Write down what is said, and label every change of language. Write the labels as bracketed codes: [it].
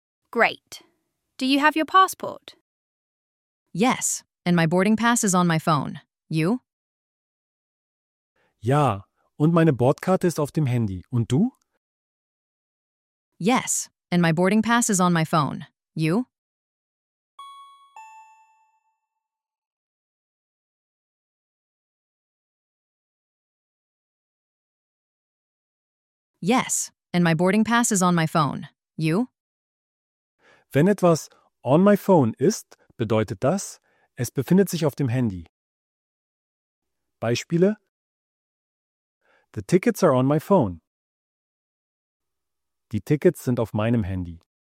[en] Great. Do you have your passport? Yes, and my boarding pass is on my phone. You? [de] Ja, und meine Bordkarte ist auf dem Handy. Und du? [en] Yes, and my boarding pass is on my phone. You? Yes, and my boarding pass is on my phone. You? [de] Wenn etwas [en] on my phone [de] ist, bedeutet das, es befindet sich auf dem Handy. [en] Beispiele: The tickets are on my phone. [de] Die Tickets sind auf meinem Handy.